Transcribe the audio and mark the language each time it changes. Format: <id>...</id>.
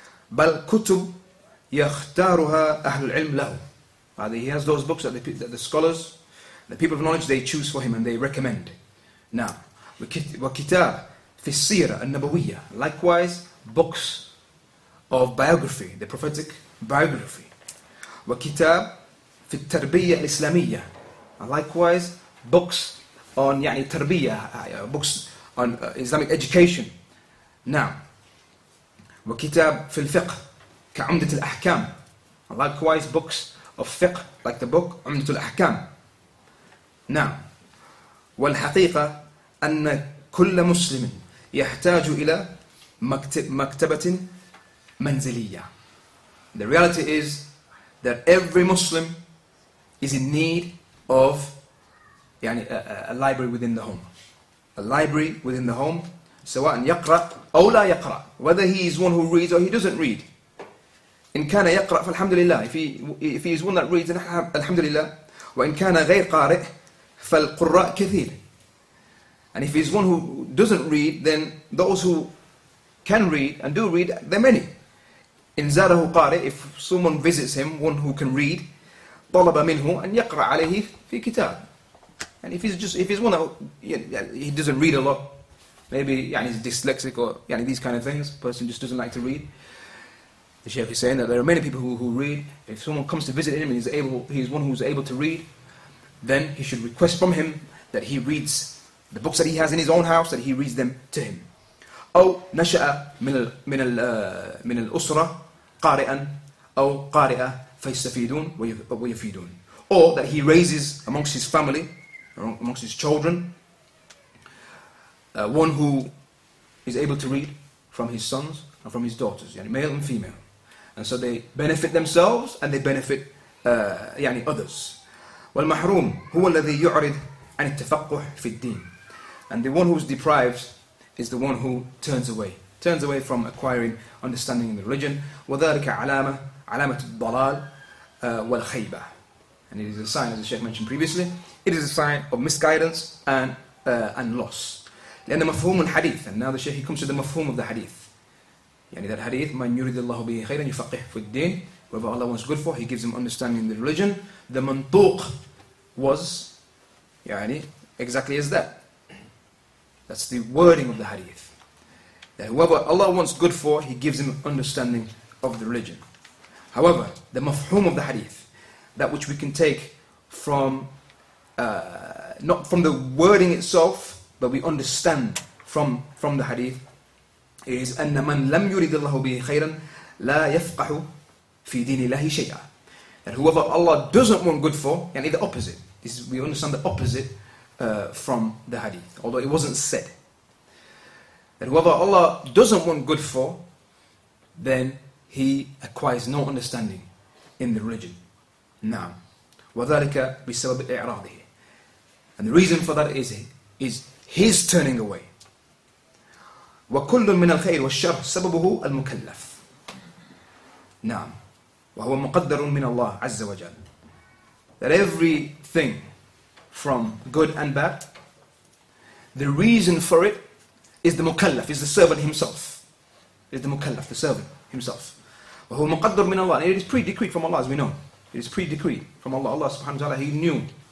<ar>بل كتب يختارها أهل العلم له.</ar> <en>He has those books that the scholars, the people of knowledge, they choose for him and they recommend.</en> <ar>Now, وكتاب في السيرة النبوية.</ar> <en>Likewise, books of biography, the prophetic biography.</en> <ar>وكتاب في التربية الإسلامية.</ar> <en>Likewise, books on يعني تربية, books on Islamic education.</en> <ar>Now, وكتاب في الفقه كعمدة الأحكام.</ar> <en>Likewise, books of fiqh, like the book عمدة الأحكام.</en> <ar>Now, والحقيقة أن كل مسلم يحتاج إلى مكتبة منزلية.</ar> <en>The reality is that every Muslim is in need of يعني a library within the home. A library within the home,</en> <ar>سواء يقرأ أو لا يقرأ.</ar> <en>Whether he is one who reads or he doesn't read.</en> <ar>إن كان يقرأ فالحمد لله.</ar> <en>If he is one that reads,</en> <ar>الحمد لله. وإن كان غير قارئ فالقراء كثير.</ar> <en>And if he is one who doesn't read, then those who can read and do read, they're many.</en> <ar>إن زاره قارئ,</ar> <en>if someone visits him, one who can read,</en> <ar>طلب منه أن يقرأ عليه في كتاب.</ar> <en>And if he's one that he doesn't read a lot, maybe he's dyslexic or these kind of things, person just doesn't like to read. The Shaykh is saying that there are many people who read. If someone comes to visit him and he's one who's able to read, then he should request from him that he reads the books that he has in his own house, that he reads them to him.</en> <ar>أو نشأ من الأسرة قارئا أو قارئة فيستفيدون ويفيدون.</ar> <en>Or that he raises amongst his family, amongst his children, one who is able to read from his sons and from his daughters, male and female. And so they benefit themselves and they benefit others.</en> <ar>والمحروم هو الذي يعرض عن التفقه في الدين.</ar> <en>And the one who is deprived is the one who turns away from acquiring understanding in the religion.</en> <ar>وذلك علامة الضلال والخيبة.</ar> <en>And it is a sign, as the Sheikh mentioned previously, it is a sign of misguidance and loss.</en> <ar>لأن مفهوم الحديث.</ar> <en>And now the Sheikh, he comes to the مفهوم of the hadith.</en> <ar>يعني ذا الحديث من يريد الله به خيرا يفقه في الدين.</ar> <en>Whatever Allah wants good for, he gives him understanding in the religion. The منطوق was exactly as that. That's the wording of the hadith. That whoever Allah wants good for, he gives him understanding of the religion. However, the مفهوم of the hadith, that which we can take from not from the wording itself, but we understand from the hadith, is</en> <ar>أن من لم يرد الله به خيرا لا يفقه في دين الله شيئا.</ar> <en>That whoever Allah doesn't want good for, the opposite. This is, we understand the opposite from the hadith, although it wasn't said. That whoever Allah doesn't want good for, then he acquires no understanding in the religion.</en> <ar>نعم. وذلك بسبب إعراضه.</ar> <en>And the reason for that is his turning away.</en> <ar>وكل من الخير والشر سببه المكلف. نعم. وهو مقدر من الله عز وجل.</ar> <en>That everything from good and bad, the reason for it is the مكلف, is the servant himself. Is the مكلف, the servant himself.</en> <ar>وهو مقدر من الله.</ar> <en>And it is pre-decreed from Allah, as we know. It is pre-decreed from Allah. Allah subhanahu wa ta'ala, He knew.</en>